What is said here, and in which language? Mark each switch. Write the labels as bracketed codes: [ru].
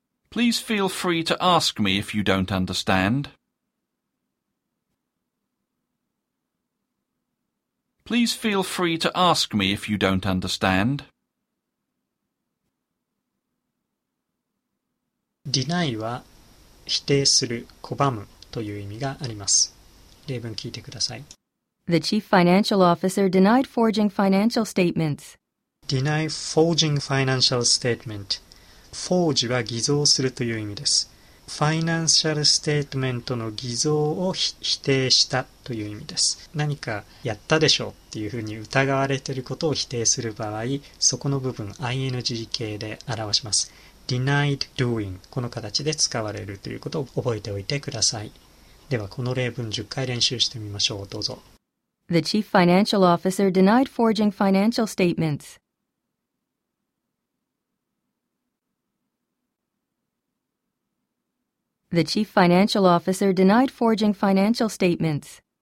[en] Please feel free to ask me if you don't understand. Please feel free to ask me if you don't understand. [ja] Deny は否定する、拒むという意味があります。例文聞いてください。 [en] The chief financial officer denied forging financial statements. Deny forging financial statement. [ja] Forge は偽造するという意味です。Financial statement の偽造を否定したという意味です。何かやったでしょうっていうふうに疑われていることを否定する場合、そこの部分 ing 形で表します。 [en] Denied doing [ja] この形で使われるということを覚えておいてください。ではこの例文10回練習してみましょう。どうぞ。 [en] The chief financial officer denied forging financial statements. The chief financial officer denied forging financial statements.